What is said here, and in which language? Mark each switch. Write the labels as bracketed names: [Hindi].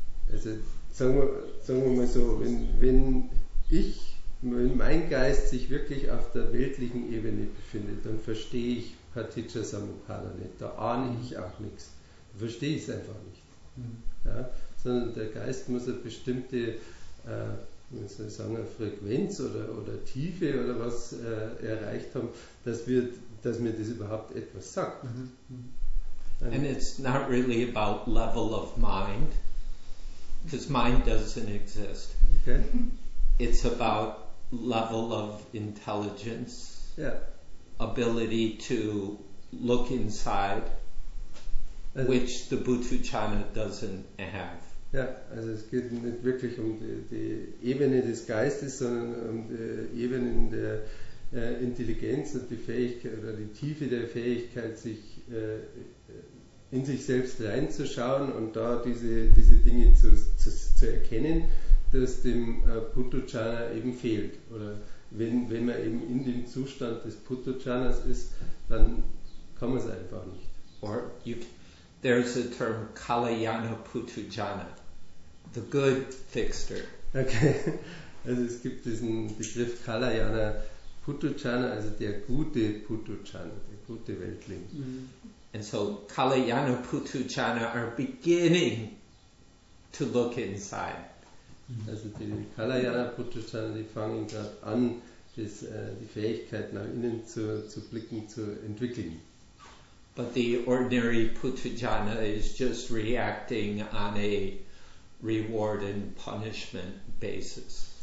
[German] Also sagen wir mal so, wenn mein Geist sich wirklich auf der weltlichen Ebene befindet, dann verstehe ich Paticca-Samuppada nicht. Da ahne ich auch nichts. Da verstehe ich es einfach nicht. Mhm. Ja? Sondern der Geist muss eine bestimmte eine Frequenz oder Tiefe oder was erreicht haben, dass mir das überhaupt etwas sagt. Mhm. [English] Mhm. And it's not really about level of mind, because mind doesn't exist. Okay. It's about level of intelligence, yeah. Ability to look inside, also, which the Bhutucana doesn't have. [German] Ja, also es geht nicht wirklich um die Ebene des Geistes, sondern um die Ebene der Intelligenz und die Fähigkeit oder die Tiefe der Fähigkeit, sich in sich selbst reinzuschauen und da diese Dinge zu erkennen, dass dem Bhutucana eben fehlt. Oder wenn man eben in dem Zustand des Bhutucanas ist, dann kann man es einfach nicht. [English] Or there's a term Kalayana Bhutucana, the good fixer. [German] Okay, also es gibt diesen Begriff Kalayana Bhutucana, also der gute Bhutucana, der gute Weltling. Mm-hmm. [English] And so Kalayana Bhutucana are beginning to look inside. Mm-hmm. [German] Also die Kalayana Bhutucana, die fangen gerade an, die Fähigkeit nach innen zu blicken, zu entwickeln. [English] But the ordinary Bhutucana is just reacting on a reward and punishment basis.